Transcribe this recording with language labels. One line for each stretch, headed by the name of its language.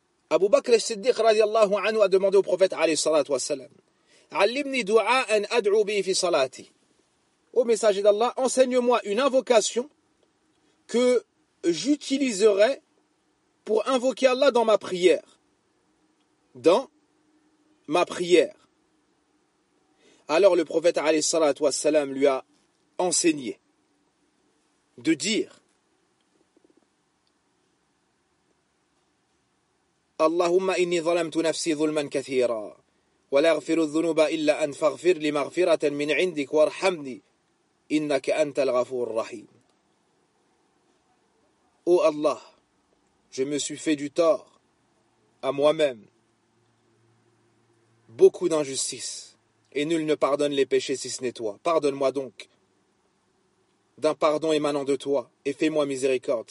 French: Abu Bakr al-Siddiq radiallahu anhu a demandé au prophète alayhi salatu wa salam « Allimni du'a an ad'u bi fi salati » Au messager d'Allah, enseigne-moi une invocation que j'utiliserai pour invoquer Allah dans ma prière. Dans ma prière. Alors le prophète alayhi salatu wa salam lui a enseigné de dire
Arabic: اللهم إني ظلمت نفسي ظلما كثيرا ولا أغفر الذنوب إلا أن فاغفر لي مغفرة من عندك وارحمني إنك أنت الغفور الرحيم.
French: Ô Allah, je me suis fait du tort à moi-même, beaucoup d'injustice, et nul ne pardonne les péchés si ce n'est toi. Pardonne-moi donc d'un pardon émanant de toi et fais-moi miséricorde.